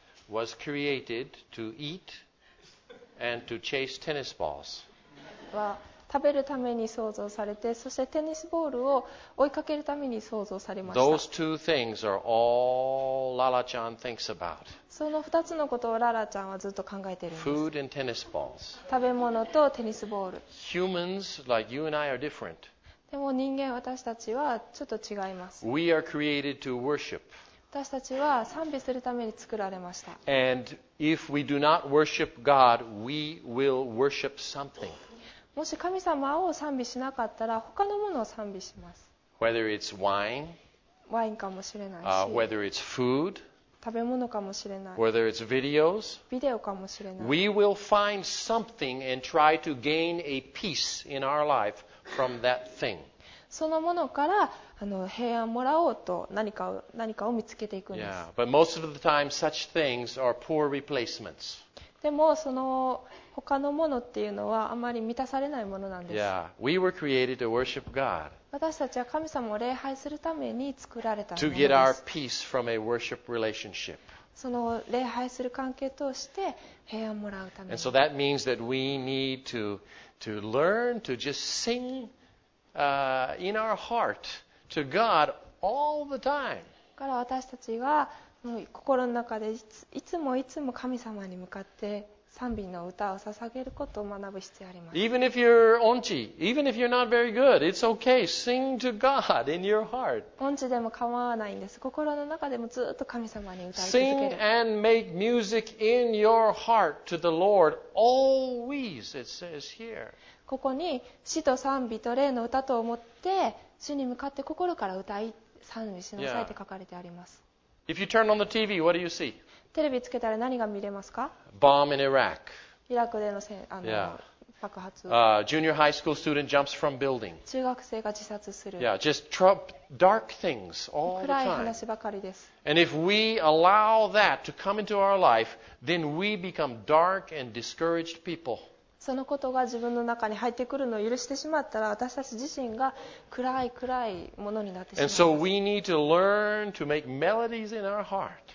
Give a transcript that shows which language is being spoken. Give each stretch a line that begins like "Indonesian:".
English: was created to eat and to chase tennis balls.
Japanese: は食べるために創造されて、そしてテニスボールを追いかけるために創造されました。
English: Those two things are all Lala-chan thinks about.
Japanese: その2つのことをララちゃんはずっと考えているんです。
English: Food and tennis balls.
Japanese: 食べ物とテニスボール。
English: Humans like you and I are different.
Japanese: でも人間、私たちはちょっと違います。
English: We are created to worship.
Japanese: 私たちは賛美するために作られました。
English: And if we do not worship God, we will worship something.
Japanese: もし神様を賛美しなかったら、他のものを賛美します。
English: Whether it's wine,
Japanese: ワインかもしれないし、
English: whether it's food,
Japanese: 食べ物かもしれない、
English: whether it's videos,
Japanese: ビデオかもしれない。
English: We will find something and try to gain a peace in our life. From that thing.
Japanese: そのものから平安をもらおうと何かを見つけていくんです。
English: Yeah, but most of the time, such things are poor replacements.
Japanese: でもその他のものっていうのはあまり満たされないものなんです。
English: Yeah, we were created to worship God.
Japanese: 私たちは神様を礼拝するために作られたものです。
English: To get our peace from a worship relationship.
Japanese: その礼拝する関係として平安をもらうために。
English: And so that means that we need to. To learn to just sing in our heart to God all the time.
Japanese: から私たちは心の中でいつも神様に向かって賛美の歌を捧げることを学ぶ必要があります。
English: Even if you're onchi, even if you're not very good, it's okay. Sing to God in your heart.
Japanese: Onchi でも構わないんです。心の中でもずっと神様に歌い続ける。
English: Sing and make music in your heart to the Lord always. It says here.
Japanese: ここに詩と賛美と霊の歌と思って主に向かって心から歌い賛美しなさいって書かれてあります。
English: Yeah. If you turn on the TV, what do you see?
Japanese: テレビつけたら何が見れますか?
English: Bomb in Iraq.
Japanese: イラクでの爆発。
English: Junior high school student jumps from building.
Japanese: 中学生が自殺する。
English: Yeah, just dark things all the time.
Japanese: 暗い話ばかりです。
English: And if we allow that to come into our life, then we become dark and discouraged people.
Japanese: そのことが自分の中に入ってくるのを許してしまったら、私たち自身が暗いものになってしまう。
English: And so we need to learn to make melodies in our heart.